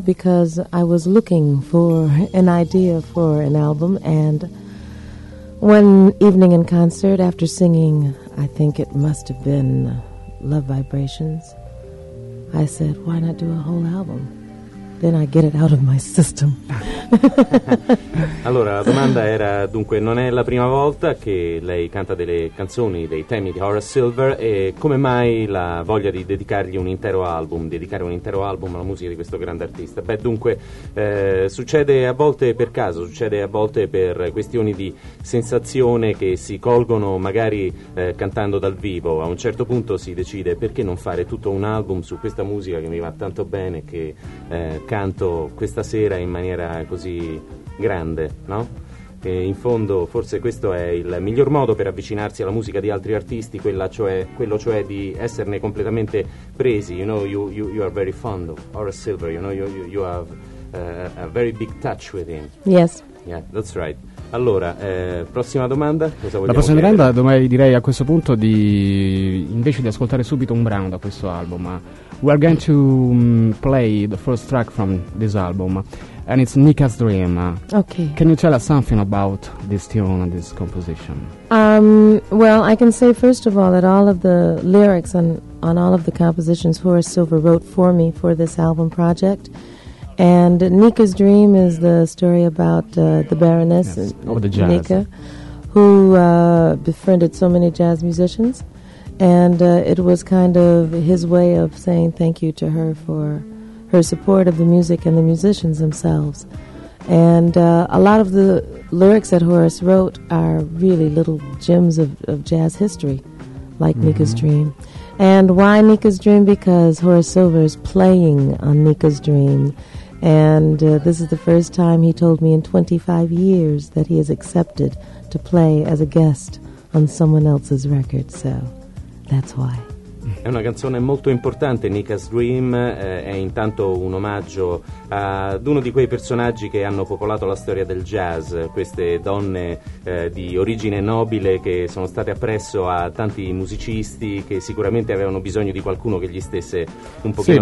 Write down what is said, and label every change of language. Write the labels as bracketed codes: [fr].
[en] Because I was looking for an idea for an album, and one evening in concert, after singing, I think it must have been Love Vibrations, I said, why not do a whole album? Then I get it out of my system. [it] Allora, la domanda era, dunque, non è la prima volta che lei canta delle canzoni, dei temi di Horace Silver, e come mai la voglia di dedicargli un intero album, dedicare un intero album alla musica di questo grande artista? Beh, dunque, succede a volte per caso, succede a volte per questioni di sensazione che si colgono magari cantando dal vivo. A un certo punto si decide, perché non fare tutto un album su questa musica che mi va tanto bene, che canto questa sera in maniera così grande, no? E in fondo forse questo è il miglior modo per avvicinarsi alla musica di altri artisti, quello cioè di esserne completamente presi. [en] You know, you are very fond of Horace Silver. You know, you have a very big touch with him. Yes. Yeah, that's right. [it] Allora, prossima domanda. La prossima domanda, direi a questo punto di invece di ascoltare subito un brano da questo album. [en] We are going to play the first track from this album, and it's Nika's Dream. Okay. Can you tell us something about this tune and this composition? Well, I can say first of all that all of the lyrics on all of the compositions Horace Silver wrote for me for this album project. And Nika's Dream is the story about the Baroness, yes, of the jazz. Nika, who befriended so many jazz musicians. And it was kind of his way of saying thank you to her for her support of the music and the musicians themselves. And a lot of the lyrics that Horace wrote are really little gems of jazz history, like mm-hmm. Nika's Dream. And why Nika's Dream? Because Horace Silver is playing on Nika's Dream. And this is the first time he told me in 25 years that he has accepted to play as a guest on someone else's record, so that's why. [it] È una canzone molto importante, Nika's Dream, è intanto un omaggio ad uno di quei personaggi che hanno popolato la storia del jazz, queste donne di origine nobile che sono state appresso a tanti musicisti che sicuramente avevano bisogno di qualcuno che gli stesse un pochino